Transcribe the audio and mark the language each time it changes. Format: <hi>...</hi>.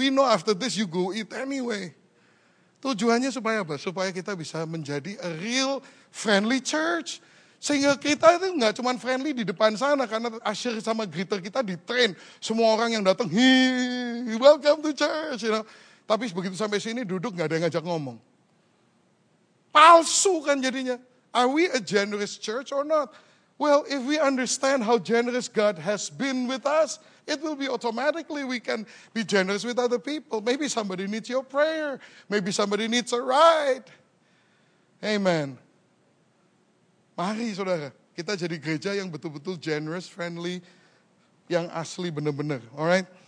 <en>We know after this you go eat anyway.</en> <id>Tujuannya supaya apa? Supaya kita bisa menjadi</id> <en>a real friendly church.</en> <id>Sehingga kita itu gak cuma friendly di depan sana. Karena usher sama greeter kita di train. Semua orang yang datang,</id> <en>welcome to church. You know?</en> <id>Tapi begitu sampai sini duduk gak ada yang ngajak ngomong. Palsu kan jadinya.</id> <en>Are we a generous church or not? Well, if we understand how generous God has been with us, it will be automatically we can be generous with other people. Maybe somebody needs your prayer. Maybe somebody needs a ride.</en> <id>Amen. Mari, saudara. Kita jadi gereja yang betul-betul generous, friendly, yang asli benar-benar. Alright?</id>